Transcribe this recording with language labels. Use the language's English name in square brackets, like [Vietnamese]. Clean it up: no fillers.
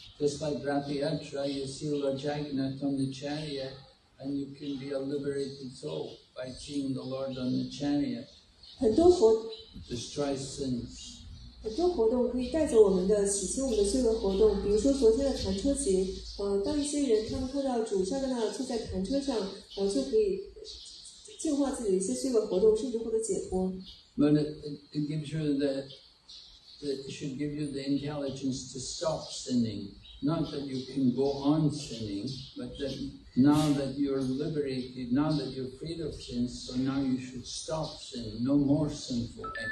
[English] Just like Rati Atra, you see Lord Jagannath on the chariot, and you can be a liberated soul by seeing the Lord on the chariot. [Chinese] 很多活动可以带走我们的洗清我们的罪恶活动，比如说昨天的弹车节，当一些人他们看到主下格纳坐在弹车上，就可以净化自己一些罪恶活动，甚至获得解脱。 [English] But it gives you it should give you the intelligence to stop sinning, not that you can go on sinning, but that now that you're liberated, now that you're freed of sins, so now you should stop sin, no more sinful